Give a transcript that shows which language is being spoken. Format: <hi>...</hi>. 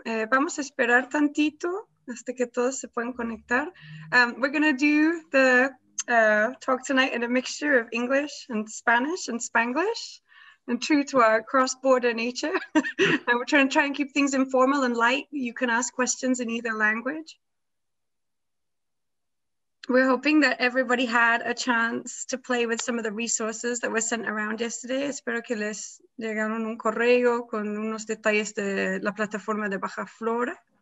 <es>Vamos a esperar tantito hasta que todos se puedan conectar.</es> <en>We're going to do the talk tonight in a mixture of English and Spanish and Spanglish, and true to our cross-border nature. And we're trying to try and keep things informal and light. You can ask questions in either language. We're hoping that everybody had a chance to play with some of the resources that were sent around yesterday.</en> <es>Espero que les llegaron un correo con unos detalles de la plataforma de Baja Flora.</es>